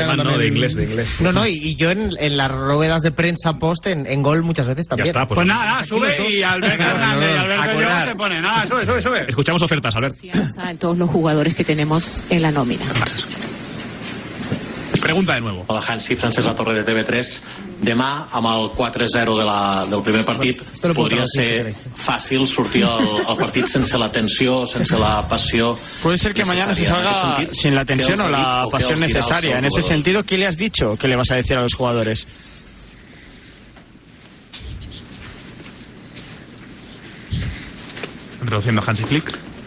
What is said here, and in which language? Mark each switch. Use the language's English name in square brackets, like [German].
[Spanish] De alemán, no, de inglés. No, y yo en las ruedas de prensa post en gol muchas veces también. Ya está, pues nada, sube y Alberto se pone. Nada, sube. Escuchamos ofertas, Albert. En todos los jugadores que tenemos en la nómina. Pregunta de nuevo. Hola, Hansi, Francesc La Torre de TV3. [Catalan] Demà, amb el 4-0 del primer partit, podria ser fàcil sortir al partit sense la tensió, sense la passió. [Spanish] Puede ser que mañana se salga sin la tensión o la pasión necesaria. En ese sentido, ¿qué le has dicho? ¿Qué le vas a decir a los jugadores? Introduciendo a Hansi Flick.